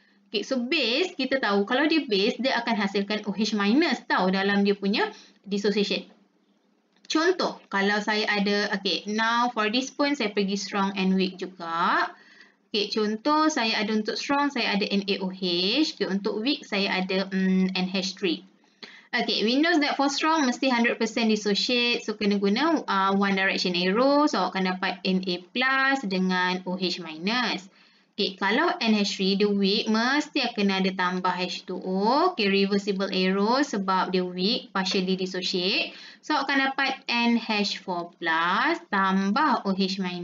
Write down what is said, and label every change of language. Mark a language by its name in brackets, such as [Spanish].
[Malay] Okay, so base kita tahu kalau dia base, dia akan hasilkan OH- tau dalam dia punya dissociation. Contoh, kalau saya ada, okay, [English] now for this point [Malay] saya pergi [English] strong and weak [Malay] juga. Okay, contoh saya ada untuk strong, saya ada NaOH. Okay, untuk weak saya ada NH3. [English] Okay, we know that for strong, [Malay] mesti [English] 100% dissociate. So, [Malay] kena guna [English] one direction arrow. [Malay] So, akan dapat Na+ dengan OH-. Okay, kalau NH3, dia weak, mesti akan ada tambah H2O. [English] Okay, reversible arrow [Malay] sebab dia [English] weak, partially dissociate. [Malay] So, akan dapat NH4+ tambah OH-.